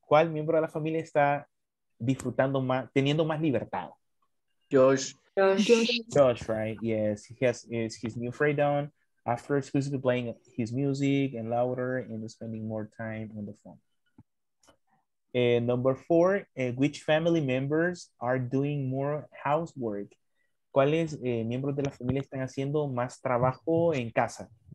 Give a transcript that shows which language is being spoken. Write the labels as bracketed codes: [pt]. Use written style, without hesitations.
[es] ¿Cuál miembro de la familia está disfrutando más, teniendo más libertad? [en] Josh, right? Yes, he has his new freedom after exclusively playing his music and louder and spending more time on the phone. And number four, which family members are doing more housework? [es] ¿Cuáles miembros de la familia están haciendo más trabajo en casa?